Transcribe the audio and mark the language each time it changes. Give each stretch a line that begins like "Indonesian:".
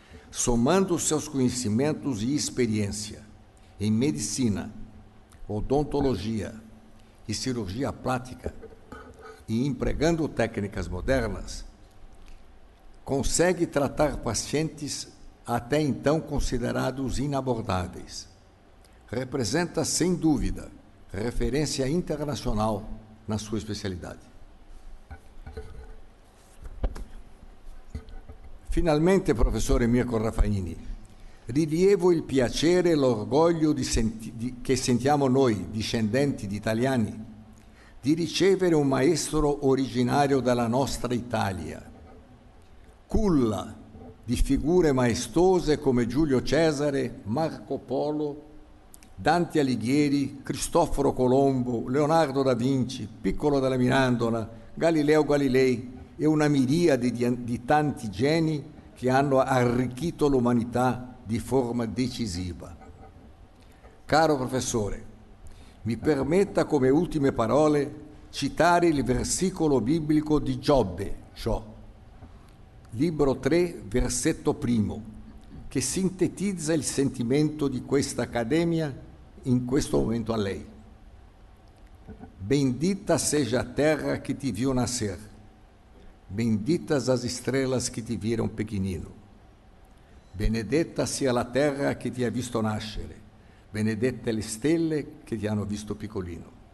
Portuguese: Somando seus conhecimentos e experiência em medicina, odontologia e cirurgia plástica, e empregando técnicas modernas, consegue tratar pacientes até então considerados inabordáveis. Representa, sem dúvida, referência internacional na sua especialidade.
Italian: Finalmente, professor Mico Raffaini, rilievo il piacere e l'orgoglio che sentiamo noi, discendenti di italiani, di ricevere un maestro originario della nostra Italia, culla di figure maestose come Giulio Cesare, Marco Polo, Dante Alighieri, Cristoforo Colombo, Leonardo da Vinci, Piccolo della Mirandola, Galileo Galilei e una miriade di tanti geni che hanno arricchito l'umanità di forma decisiva. Caro professore, mi permetta come ultime parole citare il versicolo biblico di Giobbe, libro 3, versetto 1, che sintetizza il sentimento di questa accademia in questo momento a lei.
Portuguese: Bendita seja a terra que te viu nascer, benditas as estrelas que te viram pequenino.
Italian: Benedetta sia la terra che ti ha visto nascere, benedette le stelle che ti hanno visto piccolino.